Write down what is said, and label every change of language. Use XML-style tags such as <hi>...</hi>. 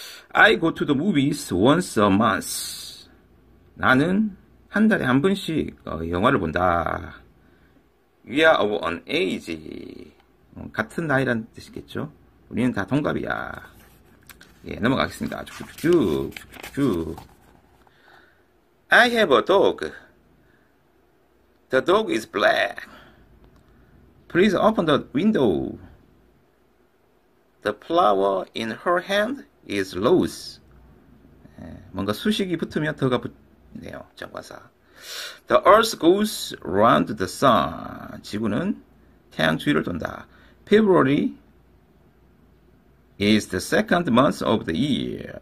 <en>I go to the movies once a month.</en> <ko>나는 한 달에 한 번씩 영화를 본다.</ko> <en>We are of an age.</en> <ko>같은 나이란 뜻이겠죠. 우리는 다 동갑이야. 예, 넘어가겠습니다. 쭉쭉쭉쭉.</ko> <en>I have a dog. The dog is black. Please open the window. The flower in her hand is rose.</en> <ko>뭔가 수식이 붙으면 더가 붙네요.</ko> <en>정관사. The earth goes round the sun.</en> <ko>지구는 태양 주위를 돈다.</ko> <en>February is the second month of the year.</en>